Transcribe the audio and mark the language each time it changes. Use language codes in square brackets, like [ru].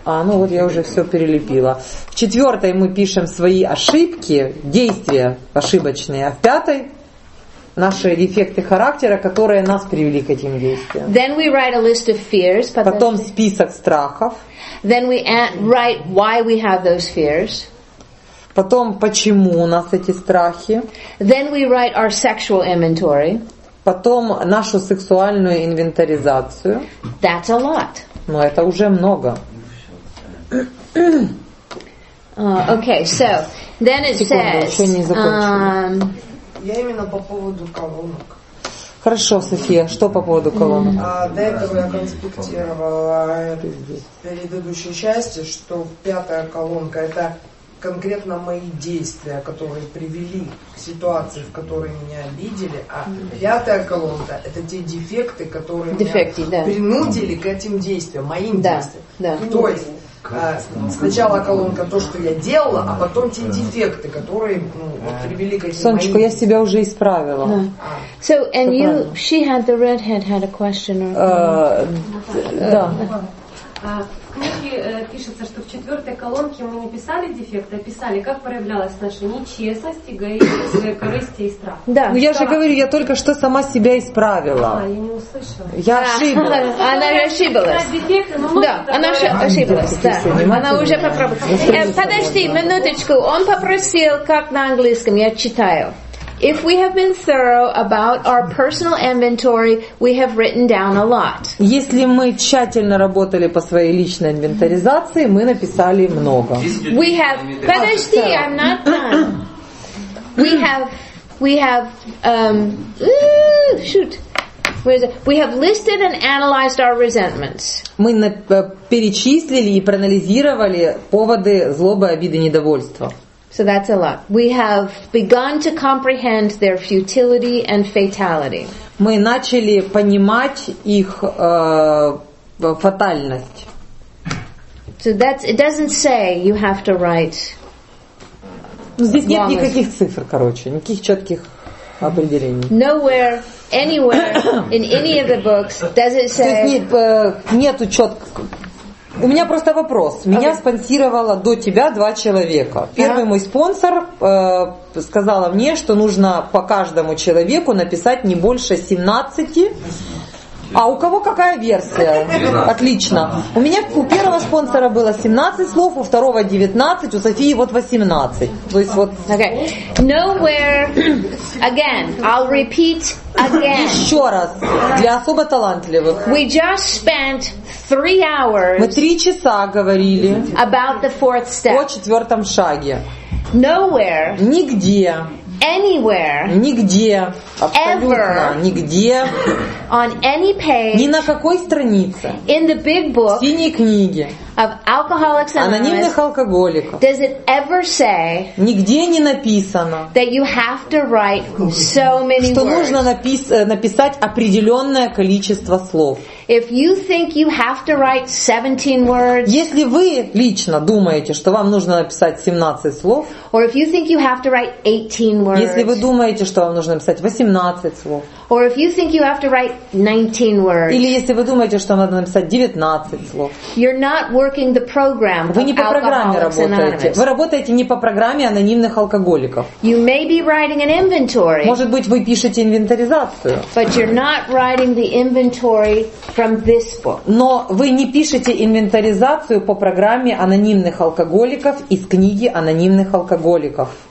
[ru] А, ну вот я уже все перелепила. В четвертой мы пишем свои ошибки, действия ошибочные. А в пятой – наши дефекты характера, которые нас привели к этим действиям. [en] Then we write a list of fears, [ru] потом список страхов. [en] Then we write why we have those fears. [ru] Потом, почему у нас эти страхи. [en] Then we write our sexual inventory. [ru] Потом нашу сексуальную инвентаризацию. [en] That's a lot. [ru] Но это уже много. [en] Okay, so then it says. [ru] Я именно по поводу колонок. Хорошо, София, что по поводу колонок? До этого я конспектировала предыдущей части, что пятая колонка – это конкретно мои действия, которые привели к ситуации, в которой меня обидели, а пятая колонка – это те дефекты, которые меня принудили к этим действиям, моим действиям. Да. То есть… Сначала колонка то, что я делала, а потом те дефекты, которые привели к этим. Сонечка, я себя уже исправила. [en] So and you, she had the redhead had a question. [ru] Да. В книге пишется, что в четвертой колонке мы не писали дефекты, а писали, как проявлялась наша нечестность, эгоизм, корысть и страх. Да. Ну я же говорю, я только что сама себя исправила. Я не услышала. Она ошиблась. Она уже попробовала. Подожди, минуточку. Он попросил, как на английском, я читаю. [en] If we have been thorough about our personal inventory, we have written down a lot. [ru] Если мы тщательно работали по своей личной инвентаризации, мы написали много. [en] We have. [ru] Подожди, [en] I'm not done. We have. We have listed and analyzed our resentments. [ru] Мы перечислили и проанализировали поводы злобы, обиды, недовольства. [en] So that's a lot. We have begun to comprehend their futility and fatality. [ru] Мы начали понимать их фатальность. [en] So that's it doesn't say you have to write. [ru] Здесь нет никаких цифр, короче, никаких четких определений. [en] Nowhere, anywhere, in any of the books does it say. [ru] Здесь нету четких. У меня просто вопрос. Меня спонсировало до тебя два человека. Первый мой спонсор сказала мне, что нужно по каждому человеку написать не больше 17. А у кого какая версия? Отлично. У меня у первого спонсора было 17 слов, у второго 19, у Софии вот 18. То есть вот. [en] Okay. Nowhere again. I'll repeat again. [ru] Еще раз. Для особо талантливых. [en] We just spent 3 hours. [ru] Мы 3 часа говорили. [en] About the fourth step. [ru] О четвертом шаге. [en] Nowhere. [ru] Нигде. [en] Anywhere. [ru] Нигде. [en] Ever. [ru] Нигде. [en] On any page. [ru] Ни на какой странице. [en] In the big book. [ru] В синей книге. [en] Of Alcoholics Anonymous. [ru] Анонимных алкоголиков. [en] Does it ever say? [ru] Нигде не написано. [en] That you have to write so many [ru] words. Что нужно написать определенное количество слов. [en] If you think you have to write 17 words. [ru] Если вы лично думаете, что вам нужно написать 17 слов. [en] Or if you think you have to write 18 words. [ru] Если вы думаете, что вам нужно написать 18 слов. [en] Or if you think you have to write 19 words. [ru] Или если вы думаете, что надо написать 19 слов. [en] You're not working the program. [ru] Вы не по программе работаете. Вы работаете не по программе анонимных алкоголиков. [en] You may be writing an inventory. [ru] Может быть, вы пишете инвентаризацию. [en] But you're not writing the inventory from this book. [ru] Но вы не пишете инвентаризацию по программе анонимных алкоголиков из книги анонимных алкоголиков.